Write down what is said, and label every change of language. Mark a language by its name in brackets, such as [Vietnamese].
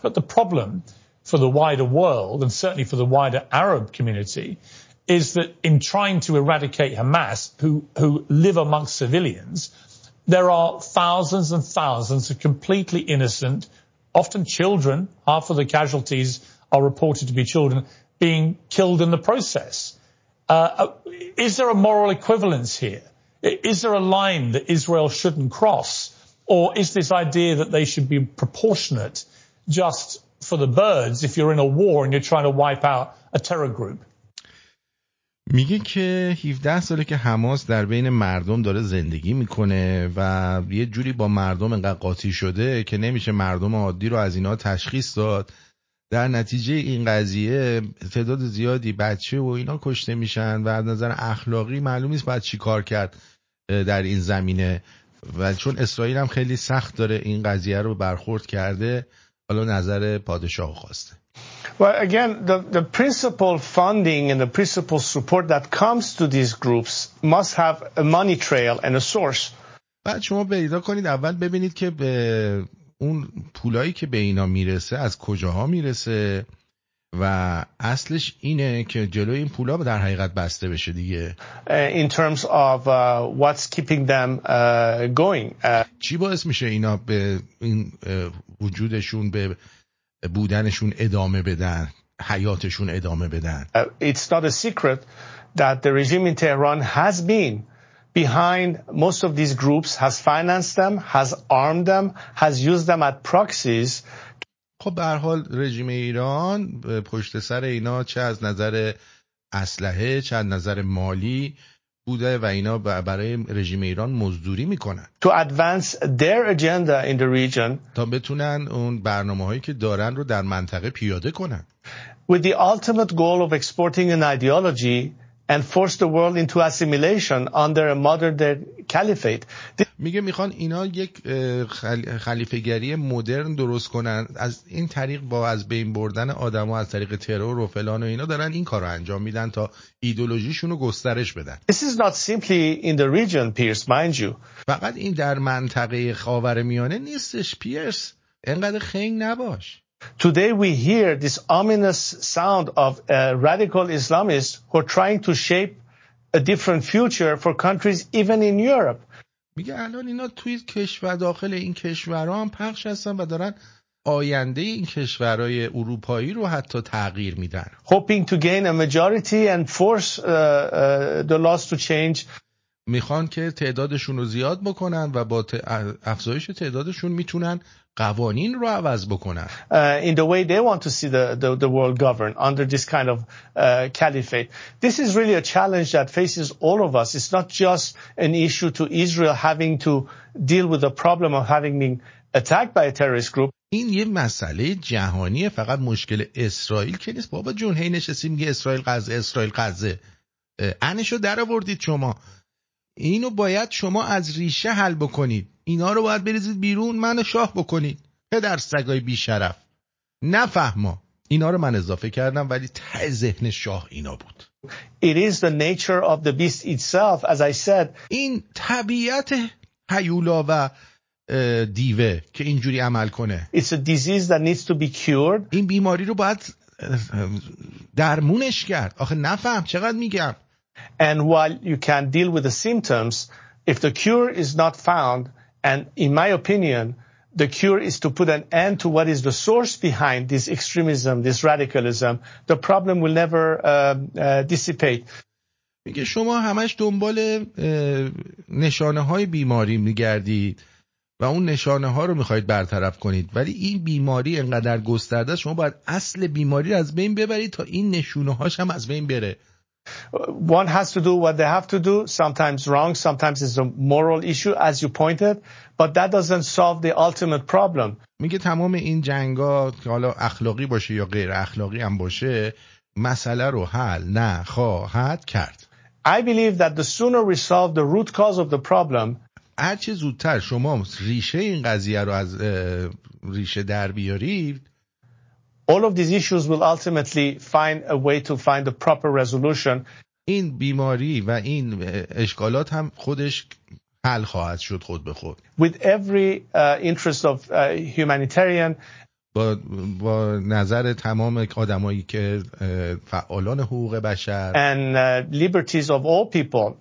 [English] But the problem for the wider world, and certainly for the wider Arab community, is that in trying to eradicate Hamas, who live amongst civilians, there are thousands and thousands of completely innocent, often children, half of the casualties are reported to be children, being killed in the process. Is there a moral equivalence here? Is there a line that Israel shouldn't cross? Or is this idea that they should be proportionate just for the birds if you're in a war and you're trying to wipe out a terror group? [Persian] میگه که 17 ساله که حماس در بین مردم داره زندگی میکنه و یه جوری با مردم انقدر قاطی شده که نمیشه مردم عادی رو از اینا تشخیص داد. در نتیجه این قضیه تعداد زیادی بچه و اینا کشته میشن و از نظر اخلاقی معلوم نیست باید چی کار کرد در این زمینه، و چون اسرائیل هم خیلی سخت داره این قضیه رو برخورد کرده، حالا نظر پادشاه خواسته. [English] Well, again, the principal funding and the principal support that comes to these groups must have a money trail and a source. [Persian] بعد شما پیدا کنید، اول ببینید که به اون پولایی که به اینا میرسه از کجاها میرسه، و اصلش اینه که جلوی این پولا در حقیقت بسته بشه دیگه. [English] In terms of what's keeping them going. [Persian] چی باعث میشه اینا به این وجودشون به بودنشون ادامه بدن، حیاتشون ادامه بدن. [English] It's not a secret that the regime in Tehran has been behind most of these groups, has financed them, has armed them, has used them at proxies. [Persian] خب به هر حال رژیم ایران پشت سر اینا چه از نظر اسلحه چه از نظر مالی بوده و اینا برای رژیم ایران مزدوری میکنن. [English] To advance their agenda in the region. [Persian] تا بتونن اون برنامه‌هایی که دارن رو در منطقه پیاده کنن. [English] With the ultimate goal of exporting an ideology and force the world into assimilation under a modern caliphate. [Persian] میگه میخوان اینا یک خلیفه‌گری مدرن درست کنن، از این طریق با از بین بردن آدم‌ها از طریق ترور و فلان و اینا دارن این کارو انجام میدن تا ایدئولوژیشون رو گسترش بدن. [English] This is not simply in the region, Pierce, mind you. [Persian] فقط این در منطقه خاورمیانه نیستش پیرس، انقدر خنگ نباش. [English] Today we hear this ominous sound of radical Islamists who are trying to shape a different future for countries even in Europe. [Persian] میگه الان اینا توی کشور داخل این کشورها هم پخش هستن و دارن آینده این کشورهای اروپایی رو حتی تغییر میدن. [English] Hoping to gain a majority and force the laws to change. [Persian] میخوان که تعدادشون رو زیاد بکنن و با افزایش تعدادشون میتونن قوانین رو عوض بکنن. [English] In the way they want to see the world governed under this kind of caliphate. This is really a challenge that faces all of us. It's not just an issue to Israel having to deal with the problem of having been attacked by a terrorist group. [Persian] این یه مسئله جهانیه، فقط مشکل اسرائیل که نیست. بابا جون هی نشستیم میگه اسرائیل غزه، اسرائیل غزه، انشو در آوردید شما. اینو باید شما از ریشه حل بکنید، اینا رو باید بریزید بیرون، منو شاه بکنید، پدر سگای بی شرف. نفهما اینا رو من اضافه کردم، ولی ته ذهن شاه اینا بود. [English] It is the nature of the beast itself, as I said. [Persian] این طبیعت هیولا و دیوه که اینجوری عمل کنه. [English] It's a disease that needs to be cured. [Persian] این بیماری رو باید درمونش کرد. آخه نفهم چقدر میگم. [English] And while you can deal with the symptoms, if the cure is not found, and in my opinion, the cure is to put an end to what is the source behind this extremism, this radicalism, the problem will never dissipate. [Persian] میگه شما همش دنبال نشانه های بیماری میگردید و اون نشانه ها رو میخواید برطرف کنید، ولی این بیماری انقدر گسترده است، شما باید اصل بیماری از بین ببرید تا این نشونه هاش هم از بین بره. [English] One has to do what they have to do, sometimes wrong, sometimes it's a moral issue, as you pointed, but that doesn't solve the ultimate problem. [Persian] میگه تمام این جنگا که حالا اخلاقی باشه یا غیر اخلاقی هم باشه، مسئله رو حل نخواهد کرد. [English] I believe that the sooner we solve the root cause of the problem, [Persian] هر چه زودتر شما ریشه این قضیه رو از ریشه در بیارید، [English] all of these issues will ultimately find a way to find the proper resolution. [Persian] این بیماری و این اشکالات هم خودش حل خواهد شد خود به خود. [English] With every interest of humanitarian. [Persian] با نظر تمام آدمایی که فعالان حقوق بشر. [English] And liberties of all people.